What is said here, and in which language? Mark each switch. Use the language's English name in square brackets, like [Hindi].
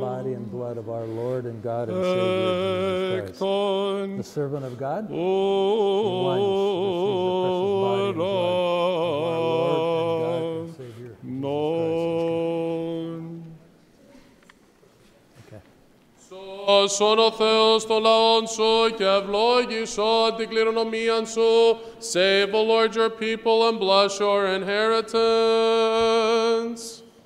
[English] body and blood of our Lord and God and Savior, Jesus Christ. [Greek] Okay. Σώσον ο Θεός το λαόν σου και ευλόγησο την κληρονομία σου. [English] Save, O Lord, your people and bless your inheritance.